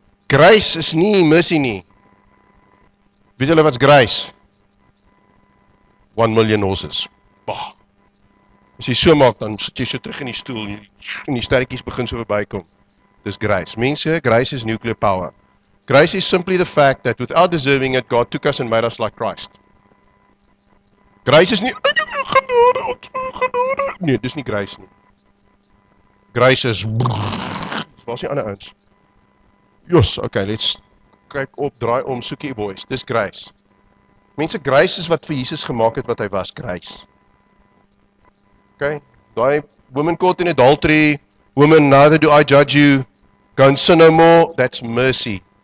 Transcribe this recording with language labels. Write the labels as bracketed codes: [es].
[af] Grace is nie mercy nie. Weet julle wat's grace? 1 miljoen horses. Bah. As jy so maak, dan sit jy so terug in die stoel en die sterretjies begin so verbykom. Dis grace. Mense, grace is nuclear power. [en] Grace is simply the fact that without deserving it, God took us and made us like Christ. [af] Grace is nie, genade. Nee, dis nie grace nie. Grace is, was die ander ouens? Jos, okay, let's kyk op, draai om, soek jy boys. Dis grace. Mense, grace is wat vir Jesus gemaak het wat hy was, grace. [en] Okay, daai woman caught in adultery, woman, neither do I judge you, go and sin no more, that's mercy.